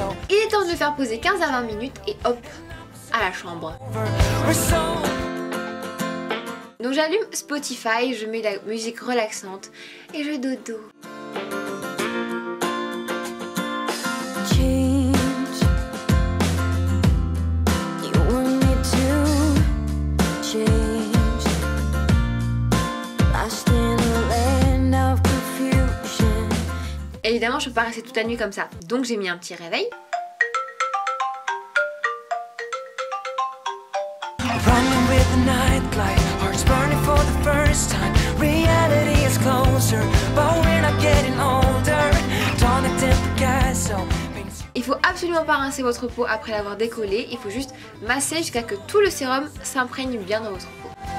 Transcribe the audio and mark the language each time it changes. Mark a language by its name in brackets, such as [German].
[French] Il est temps de le faire poser 15 à 20 minutes et hop, à la chambre. Donc j'allume Spotify, je mets la musique relaxante et je dodo. [English] Change. You want me to change. Lost in the land of confusion. [French] évidemment, je peux pas rester toute la nuit comme ça. Donc j'ai mis un petit réveil. [English] Running with the night light, hearts burning for the first time. Reality is closer, but we're not getting older. Don't attempt the castle. [French] Il faut absolument pas rincer votre peau après l'avoir décollé, il faut juste masser jusqu'à que tout le sérum s'imprègne bien dans votre peau.